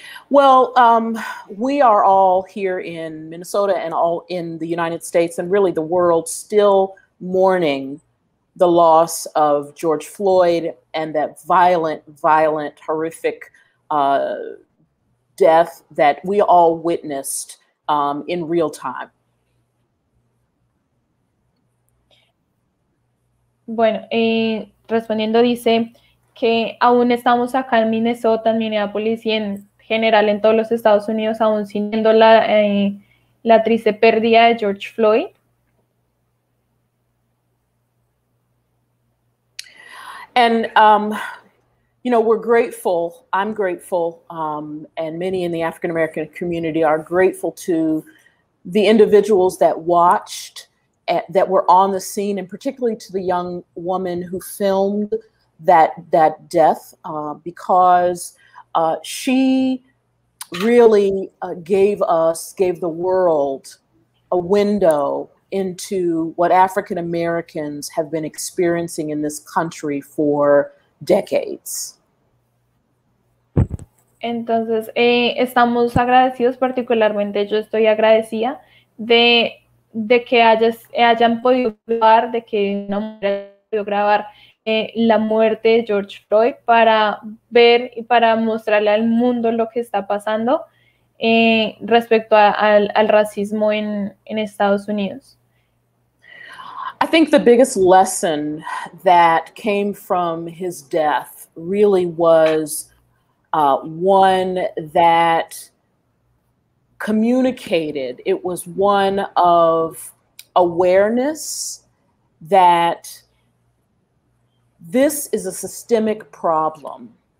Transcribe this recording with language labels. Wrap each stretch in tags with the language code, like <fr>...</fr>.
<en>Well, we are all here in Minnesota and all in the United States and really the world still mourning the loss of George Floyd and that violent, violent, horrific death that we all witnessed in real time.</en> <es>Bueno, respondiendo dice que aún estamos acá en Minnesota, en Minneapolis y en general en todos los Estados Unidos, aún sintiendo la triste pérdida de George Floyd.</es> <en>And, you know, we're grateful, I'm grateful, and many in the African-American community are grateful to the individuals that watched, that were on the scene, and particularly to the young woman who filmed that death, because she really gave the world a window into what African Americans have been experiencing in this country for decades.</en> <es>Entonces, estamos agradecidos, particularmente yo estoy agradecida de que hayan podido grabar, de que una mujer haya podido grabar la muerte de George Floyd para ver y para mostrarle al mundo lo que está pasando respecto al racismo en Estados Unidos.</es> <en>I think the biggest lesson that came from his death really was one that communicated. It was one of awareness that this is a systemic problem.</en>